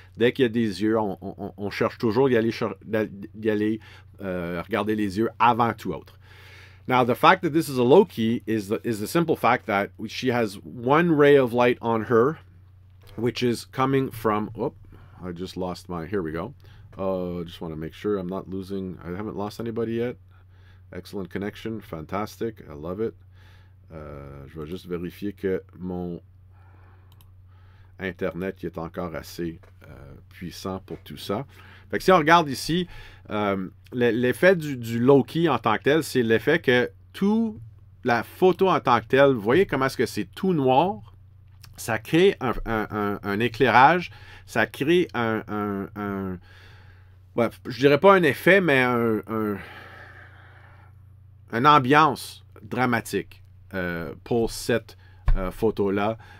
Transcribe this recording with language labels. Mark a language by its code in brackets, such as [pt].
[fr] Dès qu'il y a des yeux, on cherche toujours d'y aller regarder les yeux avant tout autre. [en] Now, the fact that this is a low key is the simple fact that she has one ray of light on her, which is coming from, just want to make sure I'm not losing, I haven't lost anybody yet. Excellent connection, fantastic, I love it. [fr] Je vais juste vérifier que mon internet est encore assez puissant pour tout ça. Fait que si on regarde ici, l'effet du low-key en tant que tel, c'est l'effet que tout la photo en tant que tel, vous voyez comment est-ce que c'est tout noir, ça crée un éclairage, ça crée un je dirais pas un effet, mais une ambiance dramatique pour cette photo-là.